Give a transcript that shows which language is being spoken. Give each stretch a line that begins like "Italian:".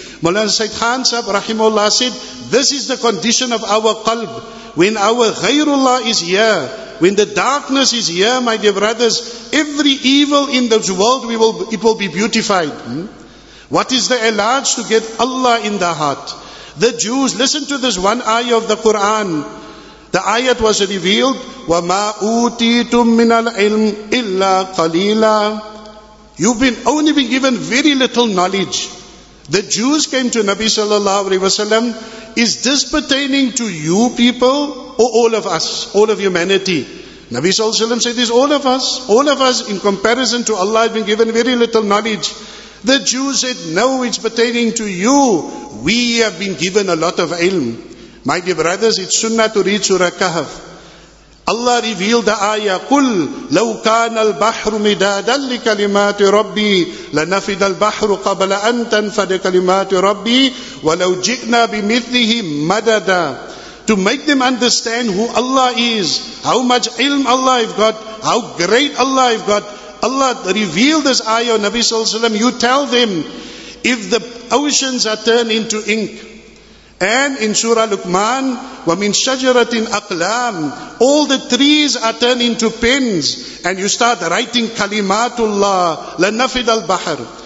English: Maulana Said Khan Sahib, Rahimullah, said, this is the condition of our qalb. When our ghayrullah is here, when the darkness is here, my dear brothers, every evil in this world, it will be beautified. What is the ilaj to get Allah in the heart? The Jews, listen to this one ayah of the Quran. The ayat was revealed,
Arabic: وَمَا أُوتِيتُم مِّنَ الْعِلْمِ إِلَّا قَلِيلًا.
English: You've been only been given very little knowledge. The Jews came to Nabi sallallahu alayhi wa sallam. Is this pertaining to you people or all of us, all of humanity? Nabi sallallahu alayhi wa sallam said, it's all of us. All of us in comparison to Allah have been given very little knowledge. The Jews said, no, it's pertaining to you. We have been given a lot of ilm. My dear brothers, it's sunnah to read Surah Kahf. Allah revealed the ayah,
Arabic: قُلْ لَوْ كَانَ الْبَحْرُ مِدَادًا لِكَلِمَاتِ رَبِّي لَنَفِدَ الْبَحْرُ قَبْلَ أَن تَنْفَدَ كَلِمَاتِ رَبِّي وَلَوْ جِئْنَا بِمِثْلِهِ مَدَدًا.
English: To make them understand who Allah is, how much ilm Allah have got, how great Allah have got. Allah revealed this ayah on Nabi Sallallahu Alaihi Wasallam. You tell them, if the oceans are turned into ink, and in Surah Luqman,
Arabic: wa min shajaratin aqlam,
English: all the trees are turned into pens, and you start writing kalimatullah,
Arabic: lanafid al-bahr.